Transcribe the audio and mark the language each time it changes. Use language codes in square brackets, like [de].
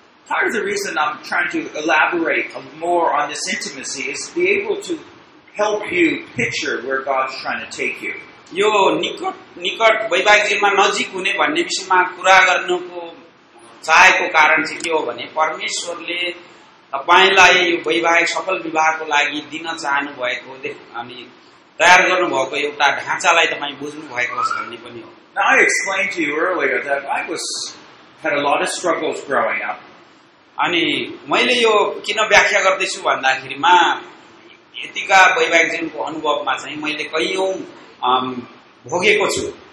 [en] Part of the reason I'm trying to elaborate more on this intimacy is to be able to help you picture where God's trying to take you. [ne] यो निकट वैवाहिक जीवनमा नजिक हुने भन्ने विषयमा कुरा गर्नुको चाहेको कारण चाहिँ के हो भने परमेश्वरले तपाईँलाई यो वैवाहिक सफल विवाहको लागि दिन चाहनुभएको अनि तयार गर्नुभएको एउटा ढाँचालाई तपाईँ बुझ्नुभएको छ भन्ने पनि हो. [en] Now I explained to you earlier that I was had a lot of struggles growing up. [ne] अनि मैले यो किन व्याख्या गर्दैछु भन्दाखेरिमा यतिका वैवाहिक जीवनको अनुभवमा चाहिँ मैले कैयौँ भोगेको छु.